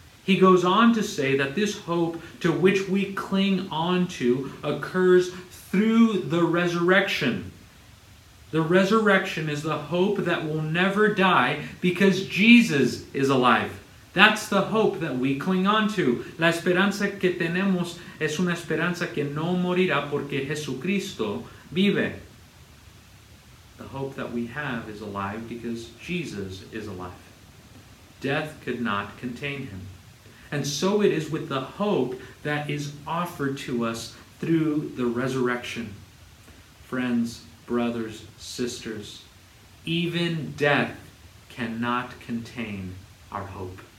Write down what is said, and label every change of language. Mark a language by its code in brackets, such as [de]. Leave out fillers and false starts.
[en] He goes on to say that this hope to which we cling on to occurs through the resurrection. The resurrection is the hope that will never die because Jesus is alive. That's the hope that we cling on to. [es] La esperanza que tenemos es una esperanza que no morirá porque Jesucristo vive. [en] The hope that we have is alive because Jesus is alive. Death could not contain him. And so it is with the hope that is offered to us through the resurrection. Friends, brothers, sisters, even death cannot contain our hope.